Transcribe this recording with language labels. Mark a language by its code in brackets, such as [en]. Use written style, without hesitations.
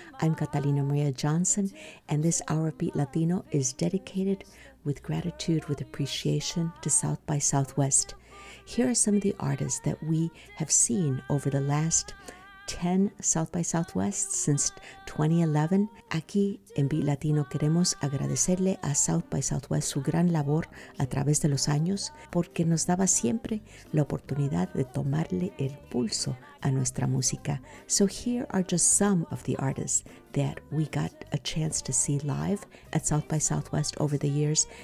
[en] I'm Catalina Maria Johnson, and this hour of Beat Latino is dedicated with gratitude, with appreciation to South by Southwest. Here are some of the artists that we have seen over the last 10 South by Southwest since 2011. [es] Aquí en Beat Latino queremos agradecerle a South by Southwest su gran labor a través de los años porque nos daba siempre la oportunidad de tomarle el pulso a nuestra música. [en] So here are just some of the artists that we got a chance to see live at South by Southwest over the years.